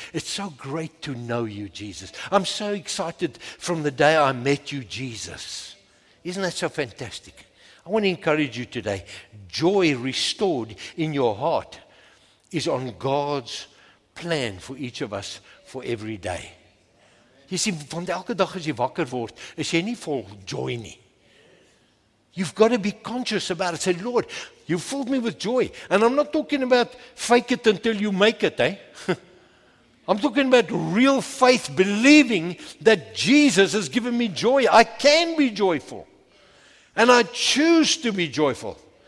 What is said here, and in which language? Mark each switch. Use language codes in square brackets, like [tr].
[en] It's so great to know you, Jesus. I'm so excited from the day I met you, Jesus. Isn't that so fantastic? I want to encourage you today. Joy restored in your heart is on God's plan for each of us for every day. You see, [af] van elke dag as jy wakker word, is jy nie vol joy nie. [en] You've got to be conscious about it. Say, Lord, you filled me with joy. And I'm not talking about fake it until you make it, eh? I'm talking about real faith, believing that Jesus has given me joy. I can be joyful. And I choose to be joyful.